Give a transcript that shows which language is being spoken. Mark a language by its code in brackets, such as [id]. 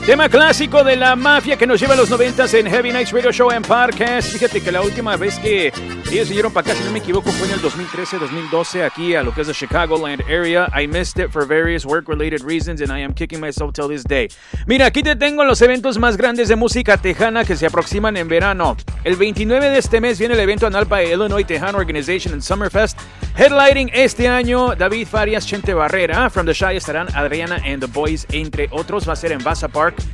[es] Clásico de la mafia que nos lleva a los 90s en Heavy Nights Radio Show en Parques. Fíjate que la última vez que Sí, se dieron para acá, si no me equivoco, fue en el 2013-2012 aquí a lo que es [en] the Chicagoland area. I missed it for various work-related reasons and I am kicking myself till this day. [es] Mira, aquí te tengo los eventos más grandes de música tejana que se aproximan en verano. El 29 de este mes viene el evento anual para Illinois Tejano Organization and Summerfest. [en] Headlining [es] este año, David Farias, Chente Barrera. From the Shy estarán Adriana and the Boys, entre otros. Va a ser en Vasa Park.